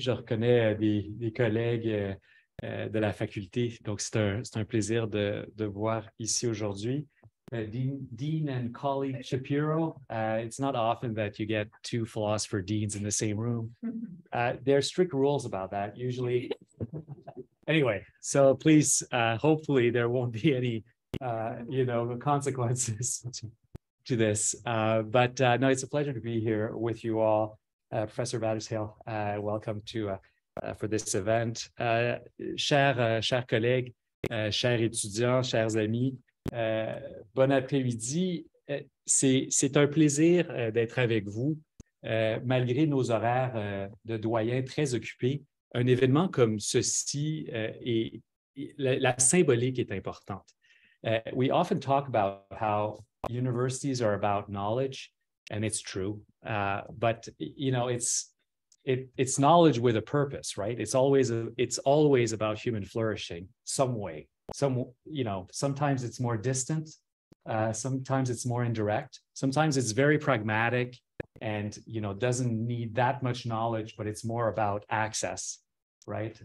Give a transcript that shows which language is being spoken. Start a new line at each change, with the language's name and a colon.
French: Je reconnais des collègues de la faculté, donc c'est un plaisir de voir ici aujourd'hui.
English: Dean and colleague Shapiro. It's not often that you get two philosopher deans in the same room. There are strict rules about that, usually. Anyway, so please, hopefully there won't be any, consequences to this. But it's a pleasure to be here with you all. Professor Battershill, welcome to for this event.
French: Chers collègues, chers étudiants, chers amis, bon après-midi. C'est un plaisir d'être avec vous, malgré nos horaires de doyen très occupés. Un événement comme ceci, la symbolique est importante.
English: We often talk about how universities are about knowledge, and it's true. But it's knowledge with a purpose, right? It's always about human flourishing, sometimes it's more distant, sometimes it's more indirect, sometimes it's very pragmatic and, doesn't need that much knowledge, but it's more about access, right?